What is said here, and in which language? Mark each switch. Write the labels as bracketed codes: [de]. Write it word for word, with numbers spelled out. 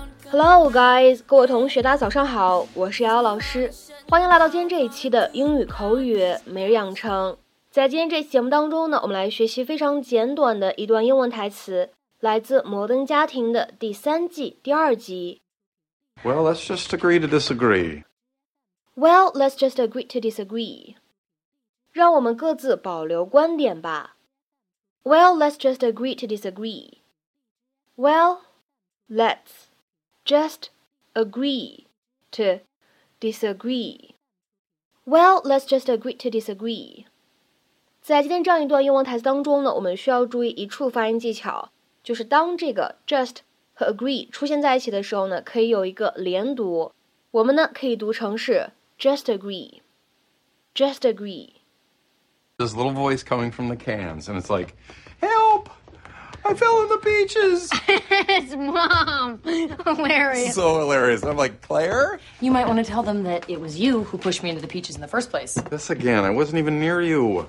[en] Hello guys， [zh] 各位同学大家早上好，我是瑶瑶老师，欢迎来到今天这一期的英语口语每日养成。在今天这期节目当中呢，我们来学习非常简短的一段英文台词，来自摩登家庭的第三季第二集。 [en] Well, let's just agree to disagree. Well, let's just agree to disagree. [zh] 让我们各自保留观点吧。 [en] Well, let's just agree to disagree. Well, let's. Just agree to disagree. Well, let's just agree to disagree. [zh] 在今天这样一段英文台词当中呢，我们需要注意一处发音技巧，就是当这个 just 和 agree 出现在一起的时候呢，可以有一个连读。我们呢可以读成是 [en] just agree, just agree. This little voice coming from the cans, and it's like, help! I fell in the beaches. It's Mom. Hilarious. So hilarious. I'm like, Claire? You might want to tell them that it was you who pushed me into the beaches in the first place. This again. I wasn't even near you.